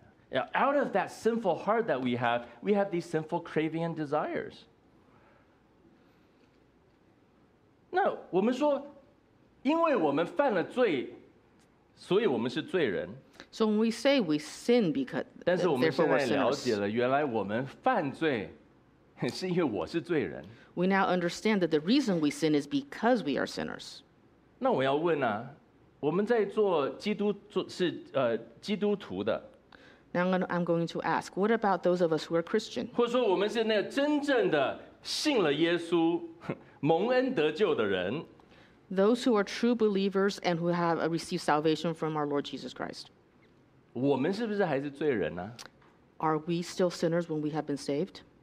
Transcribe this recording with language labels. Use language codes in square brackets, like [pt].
[en] Yeah, out of that sinful heart that we have these sinful craving and desires. [zh] 那我们说，因为我们犯了罪，所以我们是罪人。 [en] So when we say we sin because, therefore we're sinners. [zh] 但是我们现在了解了，原来我们犯罪是因为我是罪人。 [en] We now understand that the reason we sin is because we are sinners. [zh] 那我要问啊。我们在做基督是基督徒的。 [en] Now I'm going to ask, what about those of us who are Christian? [zh] 或者说我们是那真正的信了耶稣蒙恩得救的人。 [en] Those who are true believers and who have received salvation from our Lord Jesus Christ. [zh] 我们是不是还是罪人呢？ [en] Are we still sinners when we have been saved?